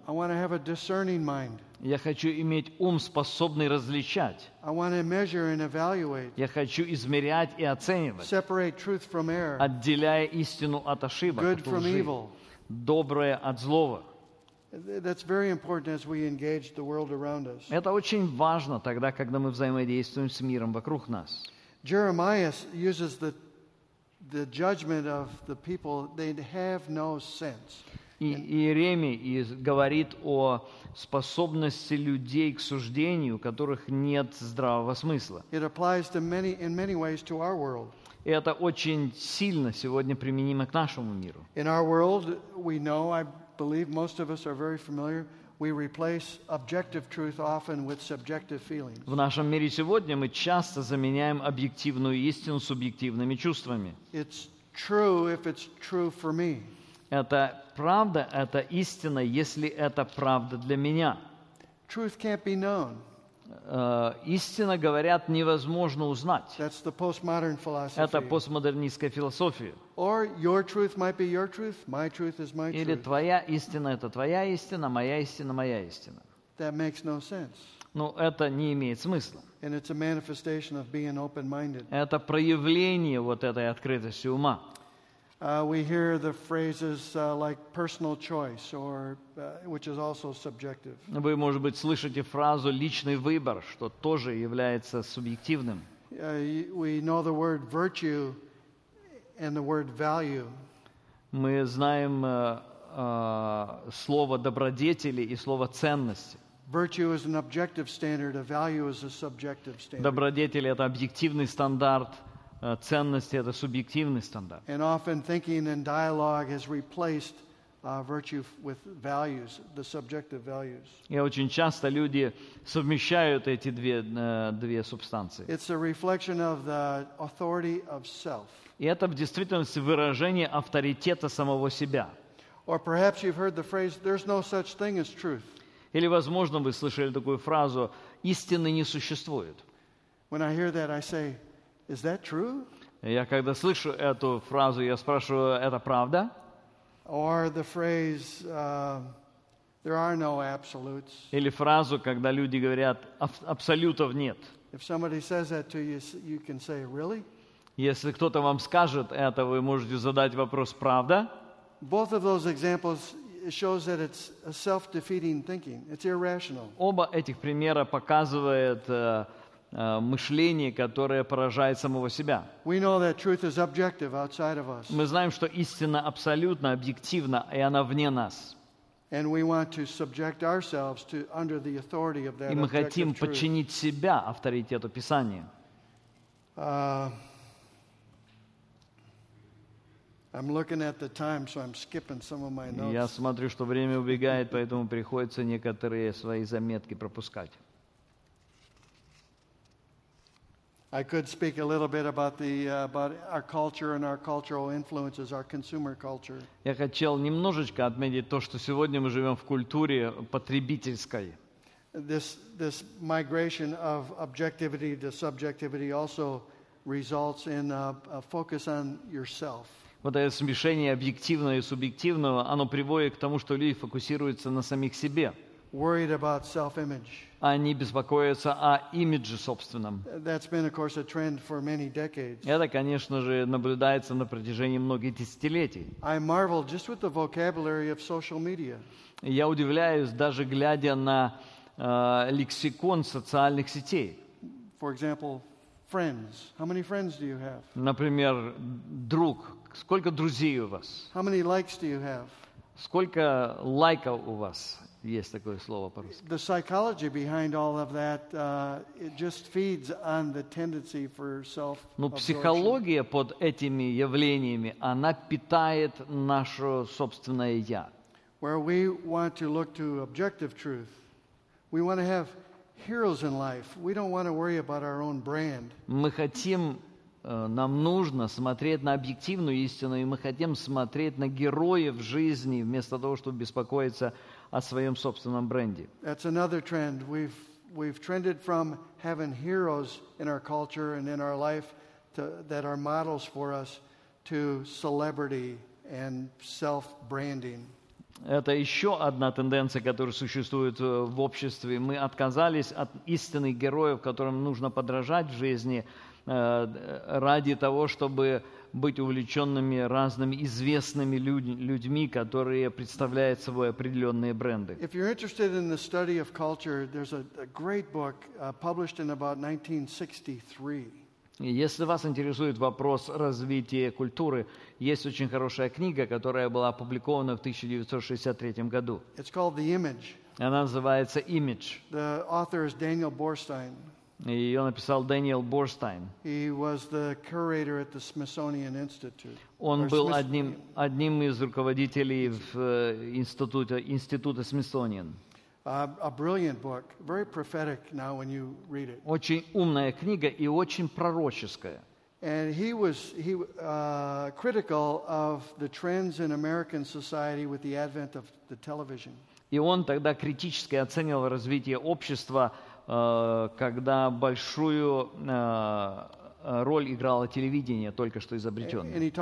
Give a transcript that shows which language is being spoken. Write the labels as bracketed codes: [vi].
[en] I want to have a discerning mind. [ru] Я хочу иметь ум, способный различать. [en] I want to measure and evaluate. [ru] Я хочу измерять и оценивать. [en] Separate truth from error. [ru] Отделяя истину от ошибок, [en] Good [ru] от лжи. [en] From evil. [ru] Доброе от злого. [en] That's very important as we engage the world around us. [ru] Это очень важно тогда, когда мы взаимодействуем с миром вокруг нас. [en] Jeremiah uses the judgment of the people, they have no sense. [ru] Иеремий говорит о способности людей к суждению, у которых нет здравого смысла. [en] It applies to many, in many ways to our world. [ru] И это очень сильно сегодня применимо к нашему миру. [en] In our world, we know, I believe most of us are very familiar, we replace objective truth often with subjective feelings. [ru] В нашем мире сегодня мы часто заменяем объективную истину субъективными чувствами. [en] It's true if it's true for me. [ru] Это правда, это истина, если это правда для меня. [en] Truth can't be known. [ru] Истина, говорят, невозможно узнать. [en] That's the postmodern philosophy. [ru] Это постмодернистская философия. [en] Or your truth might be your truth, my truth is my truth. [ru] Или твоя истина – это твоя истина, моя истина – моя истина. [en] That makes no sense. [ru] Ну, это не имеет смысла. [en] And it's a manifestation of being open-minded. [ru] Это проявление вот этой открытости ума. [en] We hear the phrases like personal choice, or which is also subjective. [ru] Вы, может быть, слышите фразу «личный выбор», что тоже является субъективным. [en] We know the word virtue and the word value. [ru] Мы знаем слово «добродетели» и слово «ценности». [en] Virtue is an objective standard, a value is a subjective standard. [ru] Добродетели – это объективный стандарт. Ценности – это субъективный стандарт. [en] And often thinking and dialogue has replaced virtue with values, the subjective values. [ru] И очень часто люди совмещают эти две субстанции. [en] It's a reflection of the authority of self. [ru] И это в действительности выражение авторитета самого себя. [en] Or perhaps you've heard the phrase, "There's no such thing as truth." [ru] Или, возможно, вы слышали такую фразу: "Истины не существует." [en] When I hear that, I say, "Is that true?" [ru] Я когда слышу эту фразу, я спрашиваю: "Это правда?" [en] Or the phrase, "There are no absolutes." [ru] Или фразу, когда люди говорят: "Абсолютов нет." [en] If somebody says that to you, you can say, "Really?" [ru] Если кто-то вам скажет это, вы можете задать вопрос: "Правда?" [en] Both of those examples shows that it's a self-defeating thinking. It's irrational. [ru] Оба этих примера показывают мышление, которое поражает самого себя. [en] We know that truth is objective outside of us. [ru] Мы знаем, что истина абсолютно объективна, и она вне нас. [en] And we want to subject ourselves to under the authority of that objective truth. [ru] И мы хотим подчинить себя авторитету Писания. [en] I'm looking at the time, so I'm skipping some of my notes. [ru] Я смотрю, что время убегает, поэтому приходится некоторые свои заметки пропускать. [en] I could speak a little bit about the about our culture and our cultural influences, our consumer culture. [ru] Я хотел немножечко отметить то, что сегодня мы живем в культуре потребительской. [en] This migration of objectivity to subjectivity also results in a focus on yourself. [ru] Вот это смешение объективного и субъективного, оно приводит к тому, что люди фокусируются на самих себе. [en] Worried about self-image. [ru] Они беспокоятся о имидже собственном. [en] That's been, of course, a trend for many decades. [ru] Это, конечно же, наблюдается на протяжении многих десятилетий. [en] I marvel just with the vocabulary of social media. [ru] Я удивляюсь, даже глядя на лексикон социальных сетей. [en] For example, friends. How many friends do you have? [ru] Например, друг. Сколько друзей у вас? [en] How many likes do you have? [ru] Сколько лайков у вас? Есть такое слово по-русски. [en] The psychology behind all of that, it just feeds on the tendency for self-absorption. [ru] Ну, психология под этими явлениями, она питает наше собственное я. [en] Where we want to look to objective truth, we want to have heroes in life. We don't want to worry about our own brand. [ru] Мы хотим, нам нужно смотреть на объективную истину, и мы хотим смотреть на героев жизни вместо того, чтобы беспокоиться о своем собственном бренде. [en] That's another trend. We've trended from having heroes in our culture and in our life that are models for us to celebrity and self-branding. [ru] Это еще одна тенденция, которая существует в обществе. Мы отказались от истинных героев, которым нужно подражать в жизни, ради того, чтобы быть увлеченными разными известными людьми, которые представляют собой определенные бренды. [en] If you're interested in the study of culture, there's a great book published in about 1963. [ru] Если вас интересует вопрос развития культуры, есть очень хорошая книга, которая была опубликована в 1963 году. [en] It's called The Image. [ru] Она называется «Image». [en] The author is Daniel Borstein. [ru] Ее написал Дэниел Борстайн. [en] He was the curator at the Smithsonian Institute. [ru] Он был одним из руководителей в института Smithsonian. [en] A brilliant book, very prophetic now when you read it. [ru] Очень умная книга и очень пророческая. [en] And he was critical of the trends in American society with the advent of the television. [ru] И он тогда критически оценивал развитие общества, когда большую роль играло телевидение, только что изобретенное.